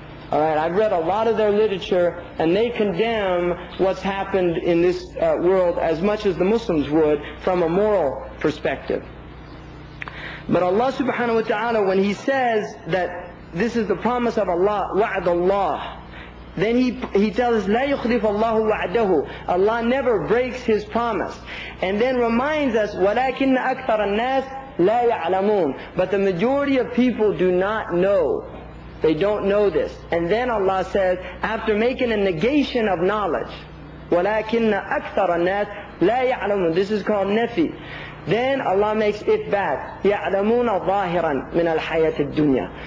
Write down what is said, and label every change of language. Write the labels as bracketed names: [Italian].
[English] All right, I've read a lot of their literature, and they condemn what's happened in this world as much as the Muslims would from a moral perspective. But Allah subhanahu wa ta'ala, when He says that this is the promise of Allah, wa'ad Allah, then He tells us, [Arabic] لا يخلف الله وعده. [English] Allah never breaks His promise. And then reminds us, [Arabic] ولكن أكثر الناس لا يعلمون. [English] But the majority of people do not know. They don't know this. And then Allah says, after making a negation of knowledge, [Arabic] ولكن أكثر الناس لا يعلمون. [English] This is called nafi. Then Allah makes it bad. [Arabic] يَعْلَمُونَ ظَاهِرًا مِنَ الْحَيَاةِ الدُّنْيَا.